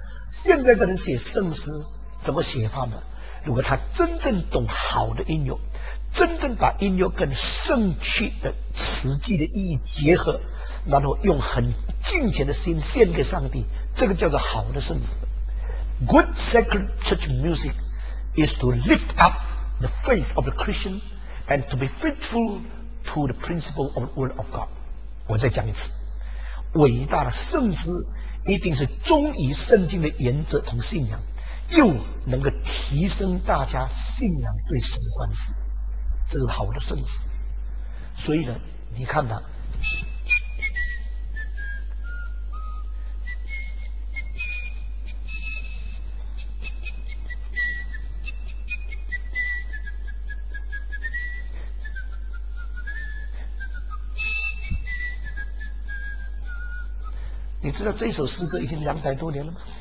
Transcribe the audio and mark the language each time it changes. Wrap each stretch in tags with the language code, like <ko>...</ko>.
<zh>现在的人写圣诗怎么写法呢？如果他真正懂好的音乐，真正把音乐跟圣曲的实际的意义结合，然后用很敬虔的心献给上帝，这个叫做好的圣诗。</zh> <en>Good sacred church music is to lift upthe faith of the Christian and to be faithful to the principle of the word of God。</en> <zh>我再讲一次，伟大的圣诗一定是忠于圣经的原则同信仰，又能够提升大家信仰对神的关系，这是好的圣诗。所以呢，你看呢，你知道这首诗歌已经两百多年了吗？</zh>